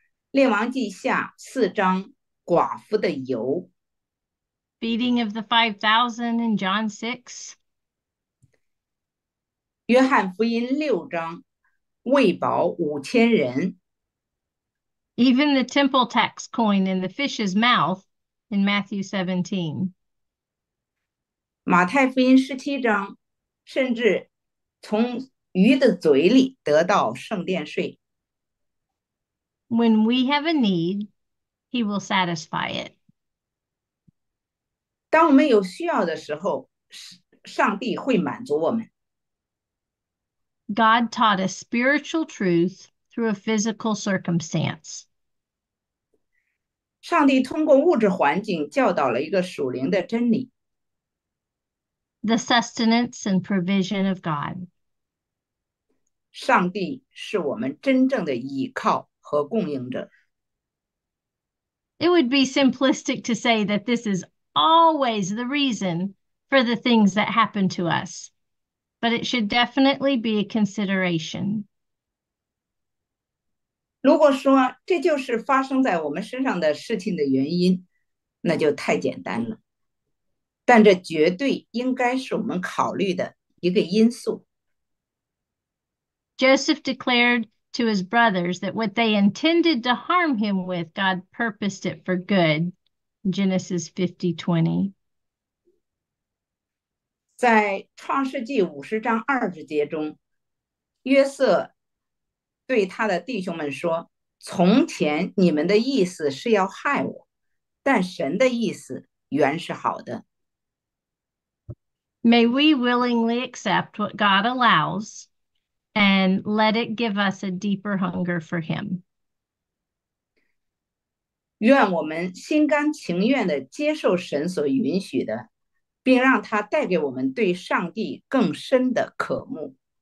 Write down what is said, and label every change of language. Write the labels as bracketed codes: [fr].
[zh] 列王记下四章寡妇的油。 [en] Feeding of the 5,000 in John 6. [zh] 约翰福音六章喂饱五千人。 [en] Even the temple tax coin in the fish's mouth in Matthew 17. [zh] 马太福音十七章甚至从鱼的嘴里得到圣殿税。 [en] When we have a need, he will satisfy it. [zh] 当我们有需要的时候，上帝会满足我们。 [en] God taught a spiritual truth through a physical circumstance. [zh] 上帝通过物质环境教导了一个属灵的真理。 [en] The sustenance and provision of God. [zh] 上帝是我们真正的依靠和供应者。 [en] It would be simplistic to say that this is always the reason for the things that happen to us, but it should definitely be a consideration. [zh] 如果说这就是发生在我们身上的事情的原因，那就太简单了。但这绝对应该是我们考虑的一个因素。 [en] Joseph declared to his brothers that what they intended to harm him with, God purposed it for good. Genesis 50:20. [zh] 在创世纪五十章二十节中，约瑟对他的弟兄们说，从前你们的意思是要害我，但神的意思原是好的。 [en] May we willingly accept what God allows and let it give us a deeper hunger for him. [zh] 愿我们心甘情愿地接受神所允许的，并让他带给我们对上帝更深的渴慕。